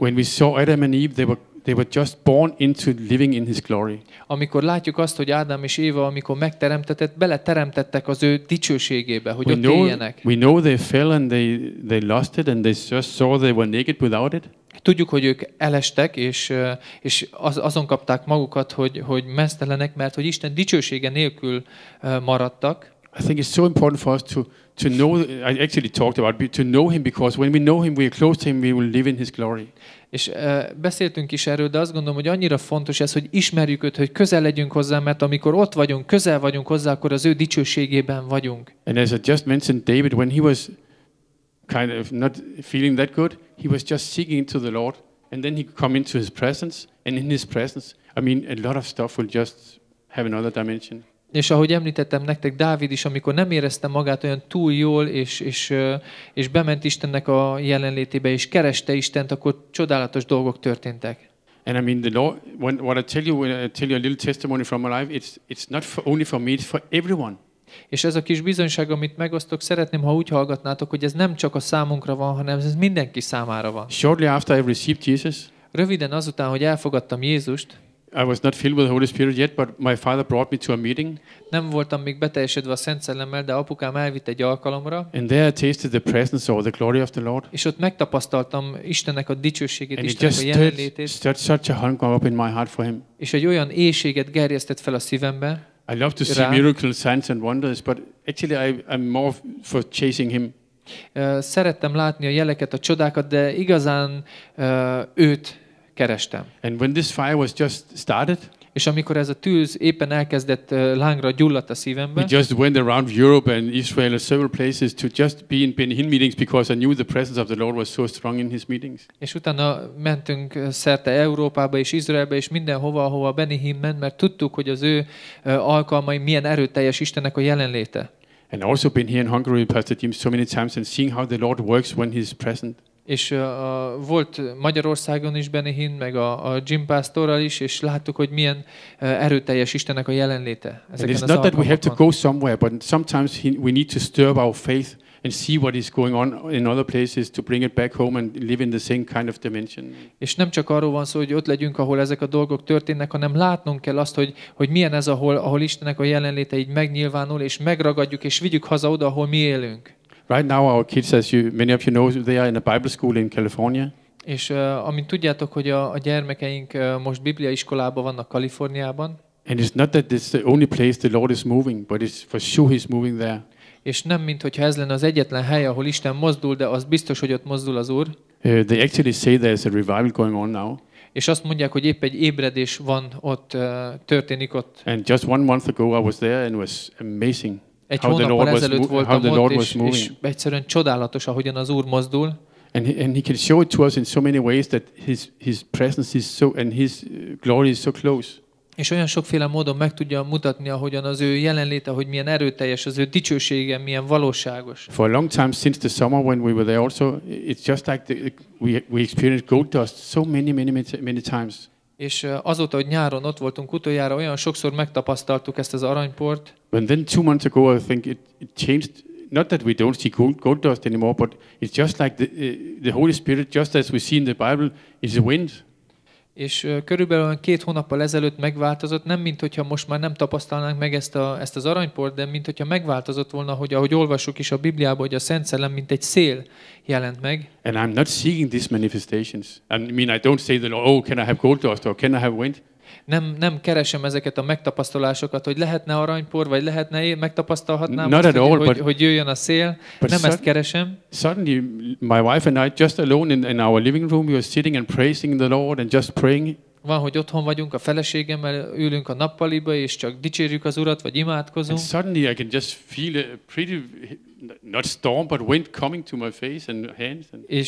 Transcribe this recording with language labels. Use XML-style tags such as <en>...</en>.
<en>When we saw Adam and Eve, they were just born into living in His glory.</en> <hu>Amikor látjuk azt, hogy Ádám és Éva, amikor megteremtetett, beleteremtettek az ő dicsőségébe, hogy ott éljenek.</hu> <en>We know they fell and they lost it and they just saw they were naked without it.</en> <hu>Tudjuk, hogy ők elestek és azon kapták magukat, hogy mesztelenek, mert hogy Isten dicsősége nélkül maradtak.</hu> <en>I think it's so important for us to know. I actually talked about to know Him, because when we know Him, we are close to Him, we will live in His glory.</en> <hu>És beszéltünk is erről, de azt gondolom, hogy annyira fontos ez, hogy ismerjük őt, hogy közel legyünk hozzá, mert amikor ott vagyunk, közel vagyunk hozzá, akkor az ő dicsőségében vagyunk.</hu> <en>And as I just mentioned, David, when he was kind of not feeling that good, he was just seeking to the Lord, and then he come into His presence, and in His presence, I mean, a lot of stuff will just have another dimension.</en> <hu>És ahogy említettem nektek, Dávid is, amikor nem érezte magát olyan túl jól, és bement Istennek a jelenlétébe, és kereste Istent, akkor csodálatos dolgok történtek.</hu> <en>And I mean, the Lord, when I tell you a little testimony from my life, it's not for, only for me, it's for everyone.</en> <hu>És ez a kis bizonyság, amit megosztok, szeretném, ha úgy hallgatnátok, hogy ez nem csak a számunkra van, hanem ez mindenki számára van.</hu> <en>Shortly after I received Jesus,</en> <hu>röviden azután, hogy elfogadtam Jézust,</hu> <en>I was not filled with the Holy Spirit yet, but my father brought me to a meeting.</en> <hu>Nem voltam még beteljesedve a Szent Szellemmel, de apukám elvitt egy alkalomra.</hu> <en>And there I tasted the presence or the glory of the Lord.</en> <hu>És ott megtapasztaltam Istennek a dicsőségét,</hu> <en>and</en> <hu>Istennek a jelenlétét.</hu> <en>And it just stirred such a hunger up in my heart for Him.</en> <hu>És egy olyan éhséget gerjesztett fel a szívembe.</hu> <en>I love to see miracles, signs and wonders, but actually I'm more for chasing Him.</en> <hu>Szerettem látni a jeleket, a csodákat, de igazán őt kerestem.</hu> <en>And when this fire was just started,</en> <hu>És amikor ez a tűz éppen elkezdett lángra gyulladt a szívemben.</hu> <en>We just went around Europe and Israel and several places to just be in Penhin meetings because I knew the presence of the Lord was so strong in his meetings.</en> <hu>És utána mentünk szerte Európába és Izraelbe és mindenhova, ahova Benihin ment, mert tudtuk, hogy az ő alkalmai milyen erőteljes Istennek a jelenléte.</hu> <en>And also been here in Hungary, Pastor Jim, so many times and seeing how the Lord works when he's present.</en> <hu>És volt Magyarországon is Benihin, meg a Jim Pastorral is, és láttuk, hogy milyen erőteljes Istennek a jelenléte.</hu> <en>And it's not that we have to go somewhere, but sometimes we need to stir up our faith and see what is going on in other places to bring it back home and live in the same kind of dimension.</en> <hu>És nem csak arról van szó, hogy ott legyünk, ahol ezek a dolgok történnek, hanem látnunk kell azt, hogy milyen ez, ahol Istennek a jelenléte így megnyilvánul, és megragadjuk, és vigyük haza oda, ahol mi élünk.</hu> <en>Right now our kids, as you, many of you know, they are in a Bible school in California.</en> <hu>És amint tudjátok, hogy a gyermekeink most Biblia iskolában vannak Kaliforniában.</hu> <en>And it's not that it's the only place the Lord is moving, but it's for sure he's moving there.</en> <hu>És nem mint hogyha ez lenne az egyetlen hely, ahol Isten mozdul, de az biztos, hogy ott mozdul az Úr.</hu> <en>They actually say there's a revival going on now.</en> <hu>És azt mondják, hogy épp egy ébredés van ott, történik ott.</hu> <en>And just one month ago I was there and it was amazing.</en> <hu>Egy hónappal ezelőtt voltam ott, és egyszerűen csodálatos, ahogyan az Úr mozdul.</hu> <en>And he can show it to us in so many ways that his presence is so and his glory is so close.</en> <hu>És olyan sokféle módon meg tudja mutatni, ahogyan az ő jelenléte, hogy milyen erőteljes, az ő dicsősége, milyen valóságos.</hu> <en>For a long time since the summer when we were there also, it's just like we experienced goat dust so many times.</en> <hu>És azóta, hogy nyáron ott voltunk utoljára, olyan sokszor megtapasztaltuk ezt az aranyport.</hu> <en>And then 2 months ago I think it changed, not that we don't see goat dust anymore, but it's just like the Holy Spirit, just as we see in the Bible, is the wind.</en> <hu>És körülbelül 2 hónappal ezelőtt megváltozott, nem mint hogyha most már nem tapasztalnánk meg ezt az aranyport, de mint hogyha megváltozott volna, hogy ahogy olvassuk is a Bibliában, hogy a Szent Szellem mint egy szél jelent meg.</hu> <en>And I'm not seeing these manifestations. I mean, I don't say that, oh, can I have gold dust or can I have wind?</en> <hu>Nem keresem ezeket a megtapasztalásokat, hogy lehetne aranypor, vagy lehetne én megtapasztalhatnám, hogy jöjjön a szél. Nem ezt keresem.</hu> <en>Suddenly my wife and I just alone in our living room, we were sitting and praising the Lord and just praying.</en> <hu>Van, hogy otthon vagyunk a feleségemmel, ülünk a nappaliba és csak dicsérjük az Urat, vagy imádkozunk.</hu> <en>And suddenly I can just feel a pretty not storm but wind coming to my face and hands and</en>